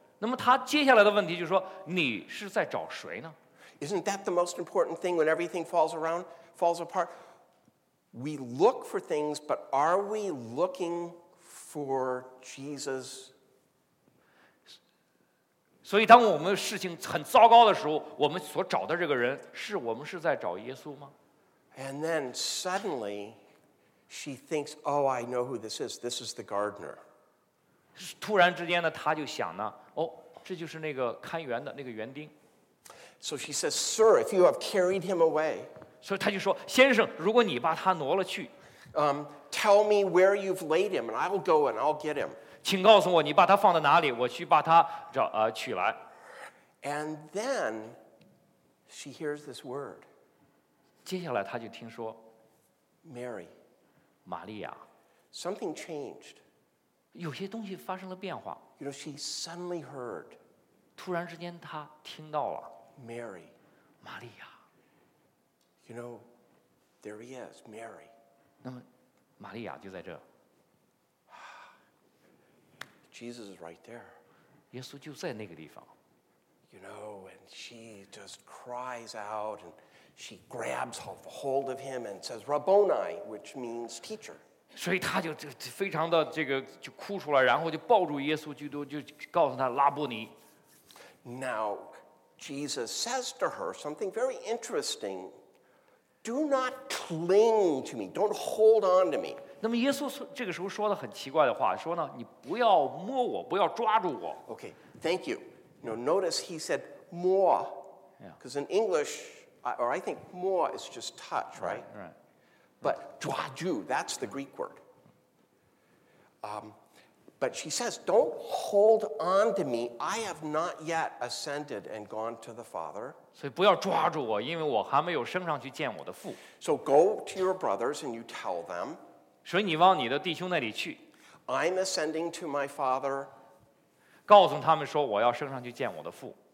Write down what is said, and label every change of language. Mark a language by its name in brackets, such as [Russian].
[Chinese] 那么他接下来的问题就是说，你是在找谁呢？ [English] Isn't that the most important thing when everything falls apart? We look for things, but are we looking for Jesus? [Chinese] 所以当我们事情很糟糕的时候，我们所找的这个人，是我们是在找耶稣吗？ [English] And then suddenly,She thinks, oh, I know who this is. This is the gardener. [Chinese] 突然之间呢，他就想呢，哦，这就是那个看园的那个园丁。 [English] So she says, sir, if you have carried him away. [Chinese] 所以他就说，先生，如果你把他挪了去。 [English] Tell me where you've laid him, and I'll go and I'll get him. [Chinese] 请告诉我你把他放在哪里，我去把他取来。 [English] And then she hears this word. [Chinese] 接下来他就听说。 [English] Mary. [Chinese] 玛利亚 [English] Something changed. [Chinese] 有些东西发生了变化 [English] You know, she suddenly heard. [Chinese] 突然之间她听到了 [English] Mary. [Chinese] 玛利亚 [English] You know, there he is, Mary. [Chinese] 那么玛利亚就在这 [English] Jesus is right there. [Chinese] 耶稣就在那个地方 [English] You know, and she just cries out andShe grabs hold of him and says, Rabboni, which means teacher. [Chinese] 所以他就非常的这个就哭出来，然后就抱住耶稣基督，就告诉他拉布尼。 [English] Now, Jesus says to her something very interesting. Do not cling to me. Don't hold on to me. [Chinese] 那么耶稣这个时候说的很奇怪的话，说呢，你不要摸我，不要抓住我。 [English] Okay, thank you. Now, notice he said, more. Yeah. Because in English... I think more is just touch, right? Right. But 抓住 that's the Greek word. But she says, don't hold on to me. I have not yet ascended and gone to the Father. [Chinese] 所以不要抓住我，因为我还没有升上去见我的父。 [English] So go to your brothers and you tell them. [Chinese] 所以你往你的弟兄那里去。 [English] I'm ascending to my father. [Chinese] 告诉他们说我要升上去见我的父。